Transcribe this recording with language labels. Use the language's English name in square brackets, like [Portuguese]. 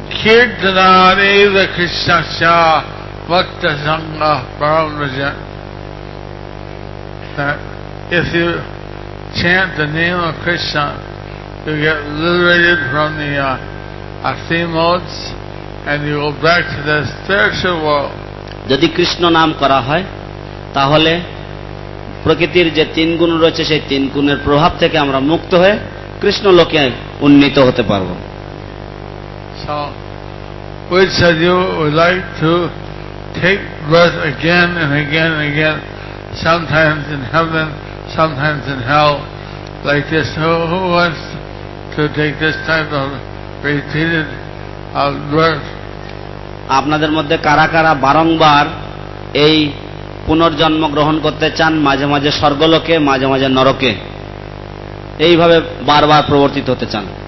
[Bangla] যদি কৃষ্ণ নাম করা হয় তাহলে প্রকৃতির যে তিন গুণ রয়েছে সেই তিন গুণের প্রভাব থেকে আমরা মুক্ত হয়ে কৃষ্ণ লোকে উন্নীত হতে পারব। [English] Which of you would like to take birth again and again and again, sometimes in heaven, sometimes in hell, like this? Who wants to take this type of repeated birth? [Bangla] আপনাদের মধ্যে কারা কারা বারংবার এই পুনর্জন্ম গ্রহণ করতে চান, মাঝে মাঝে স্বর্গলোকে মাঝে মাঝে নরকে এইভাবে বারবার প্রবর্তিত হতে চান?